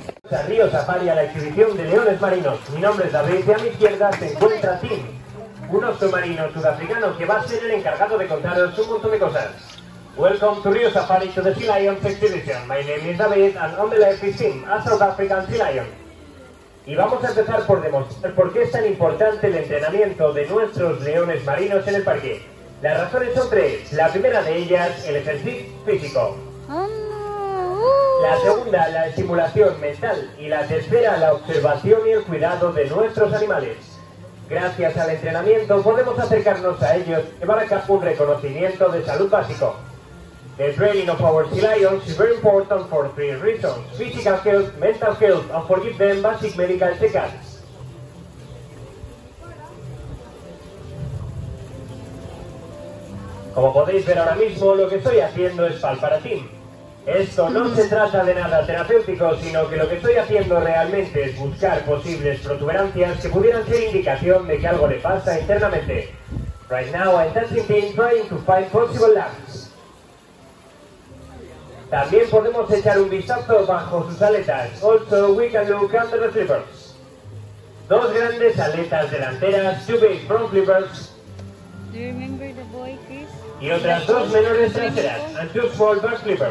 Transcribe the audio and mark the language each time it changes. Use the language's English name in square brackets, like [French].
[Spanish] A Rio Safari, a la exhibición de leones marinos. Mi nombre es David y a mi izquierda se encuentra Tim, un oso marino sudafricano que va a ser el encargado de contaros un montón de cosas. [English] Welcome to Rio Safari to the Sea Lion Exhibition. My name is David and on the left is Tim, a South African Sea Lion. [Spanish] Y vamos a empezar por demostrar por qué es tan importante el entrenamiento de nuestros leones marinos en el parque. Las razones son tres. La primera de ellas, el ejercicio físico. La segunda, la estimulación mental. Y la tercera, la observación y el cuidado de nuestros animales. Gracias al entrenamiento podemos acercarnos a ellos y llevar a cabo un reconocimiento de salud básico. [English] The training of our sea lions is very important for three reasons: physical health, mental health, and for give them basic medical checkups. [Spanish] Como podéis ver ahora mismo, lo que estoy haciendo es palpar a Tim. Esto no se trata de nada terapéutico, sino que lo que estoy haciendo realmente es buscar posibles protuberancias que pudieran ser indicación de que algo le pasa internamente. [English] Right now I'm touching Tim trying to find possible lumps. [Spanish] También podemos echar un vistazo bajo sus aletas. [English] Also, we can look under the flippers. [Spanish] Dos grandes aletas delanteras, [English] two big front flippers. Do you remember the boy, Chris? [Spanish] Y otras dos menores traseras, [English] and two small back flippers.